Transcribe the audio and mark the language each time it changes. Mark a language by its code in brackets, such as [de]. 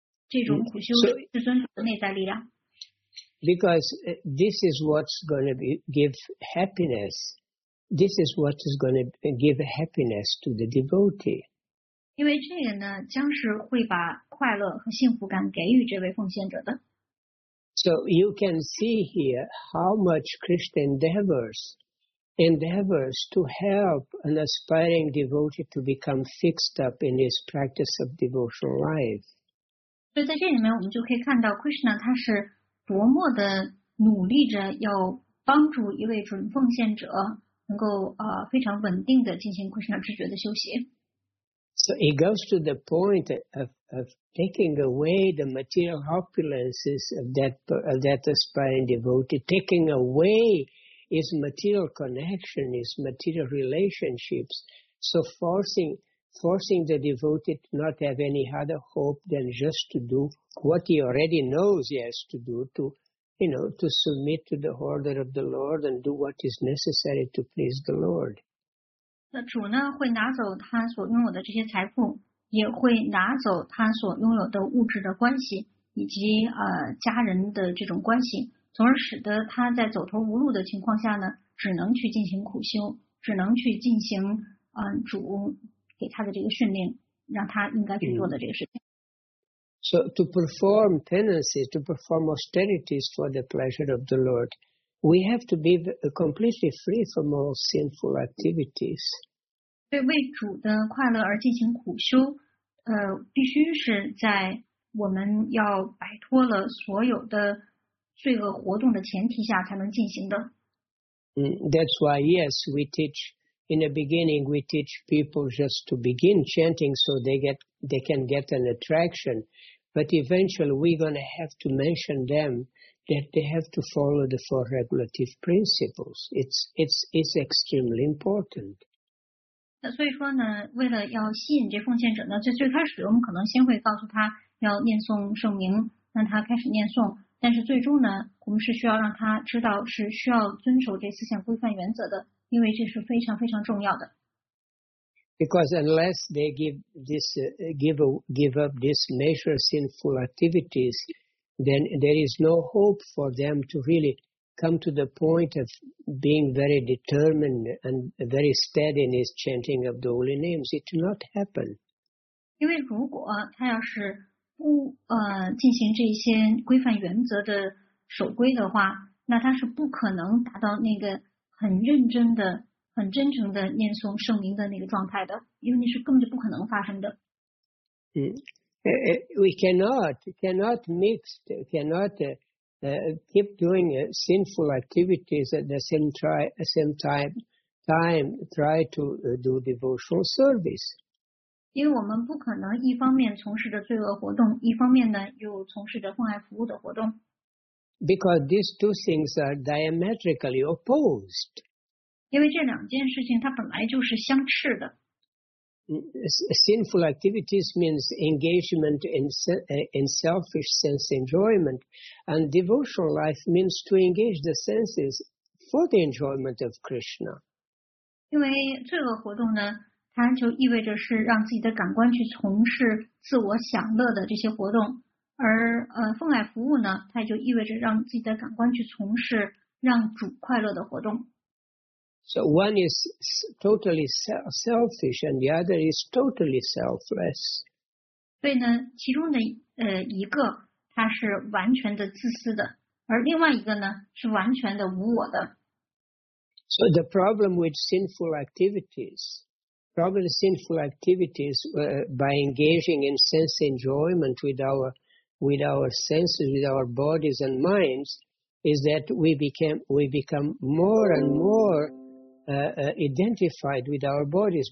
[zh] 这种苦修是至尊主的内在力量。 [en] Because this is what's going to give happiness. This is what is going to give happiness to the devotee. [zh] 因为这个呢，将是会把快乐和幸福感给予这位奉献者的。 [en] So you can see here how much Krishna endeavors to help an aspiring devotee to become fixed up in his practice of devotional life. [zh] So 在这里面我们就可以看到 Krishna 他是多么的努力着要帮助一位准奉献者能够非常稳定的进行 Krishna 知觉的修习。 [en] So it goes to the point of taking away the material opulences of that aspiring devotee, taking away his material connection, his material relationships, so forcing the devotee to not have any other hope than just to do what he already knows he has to do, to submit to the order of the Lord and do what is necessary to please the Lord. [zh] 那主呢会拿走他所拥有的这些财富，也会拿走他所拥有的物质的关系以及家人的这种关系，从而使得他在走投无路的情况下呢，只能去进行苦修，只能去进行主给他的这个训令，让他应该去做的这个事情。 [en] So to perform penances, to perform austerities for the pleasure of the Lord, we have to be completely free from all sinful activities. [zh] 对，为主的快乐而进行苦修，必须是在我们要摆脱了所有的罪恶活动的前提下才能进行的。 [en] That's why, yes, we teach, in the beginning, we teach people just to begin chanting so they can get an attraction. But eventually, we're going to have to mention them that they have to follow the four regulative principles. It's extremely important. [zh] 那所以说呢，为了要吸引这奉献者呢，在最开始我们可能先会告诉他要念诵圣名，让他开始念诵。但是最终呢，我们是需要让他知道是需要遵守这四项规范原则的，因为这是非常非常重要的。 [en] Because unless they give up these major sinful activities, then there is no hope for them to really come to the point of being very determined and very steady in his chanting of the holy names. It will not happen. [zh] 因为如果他要是不进行这些规范原则的守规的话，那他是不可能达到那个很认真的、很真诚的念诵圣名的那个状态的，因为那是根本就不可能发生的。 [en] We cannot keep doing sinful activities at the same time try to do devotional service. [zh] 因为我们不可能一方面从事着罪恶活动，一方面呢又从事着奉爱服务的活动。 [en] Because these two things are diametrically opposed. [zh] 因为这两件事情它本来就是相斥的。 [en] Sinful activities means engagement in selfish sense enjoyment, and devotional life means to engage the senses for the enjoyment of Krishna. [zh] 因为罪恶活动呢它就意味着是让自己的感官去从事自我享乐的这些活动，而奉爱服务呢，它就意味着让自己的感官去从事让主快乐的活动。 [en] So one is totally selfish and the other is totally selfless. [zh] 所以呢，其中的一个它是完全的自私的，而另外一个呢是完全的无我的。 [en] So the problem with sinful activities. Probably sinful activities by engaging in sense enjoyment with our senses, with our bodies and minds, is that we become more and more identified with our bodies.